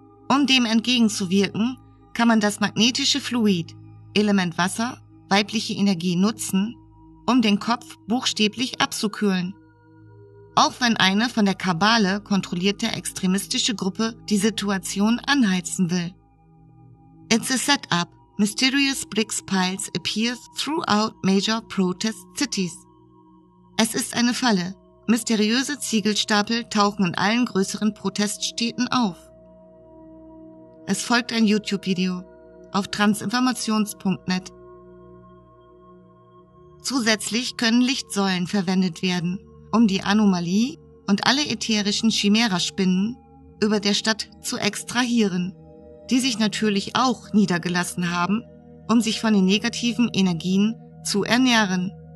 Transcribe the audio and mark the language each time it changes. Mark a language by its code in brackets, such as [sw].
[de] Um dem entgegenzuwirken, kann man das magnetische Fluid, Element Wasser, weibliche Energie nutzen, um den Kopf buchstäblich abzukühlen. Auch wenn eine von der Kabale kontrollierte extremistische Gruppe die Situation anheizen will. [en] It's a setup. Mysterious brick piles appear throughout major protest cities. [de] Es ist eine Falle. Mysteriöse Ziegelstapel tauchen in allen größeren Proteststädten auf. Es folgt ein YouTube-Video auf transinformations.net. Zusätzlich können Lichtsäulen verwendet werden, um die Anomalie und alle ätherischen Chimäraspinnen über der Stadt zu extrahieren, die sich natürlich auch niedergelassen haben, um sich von den negativen Energien zu ernähren.